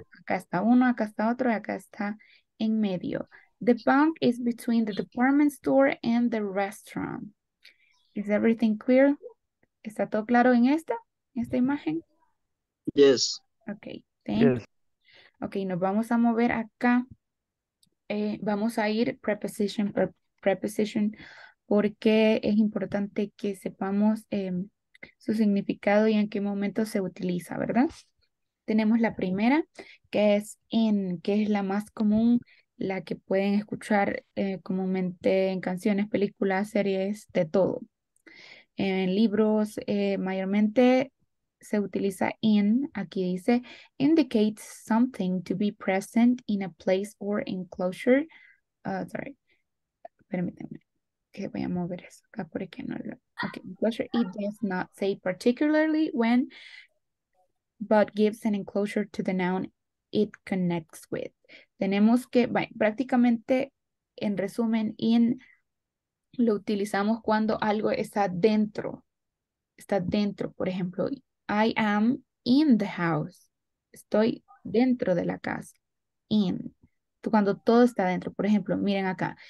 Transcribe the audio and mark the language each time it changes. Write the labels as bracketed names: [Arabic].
[Spanish] Acá está uno, acá está otro, acá está en medio. [English] The bank is between the department store and the restaurant. Is everything clear? [Spanish] ¿Está todo claro en esta imagen? [English] Yes. Okay, thank yes. You. Okay, [Spanish] nos vamos a mover acá. Vamos a ir preposition per preposition porque es importante que sepamos su significado y en qué momento se utiliza, ¿verdad? Tenemos la primera, que es in, que es la más común, la que pueden escuchar comúnmente en canciones, películas, series, de todo. En libros, mayormente se utiliza in, aquí dice, [English] indicates something to be present in a place or enclosure. [Spanish] Sorry, permítanme, que voy a mover eso acá porque no lo... [English] Okay, enclosure, it does not say particularly when, but gives an enclosure to the noun it connects with. [Spanish] Tenemos que, bueno, prácticamente, en resumen, in lo utilizamos cuando algo está dentro. Está dentro, por ejemplo, [English] I am in the house. [Spanish] Estoy dentro de la casa. In. Cuando todo está dentro, por ejemplo, miren acá.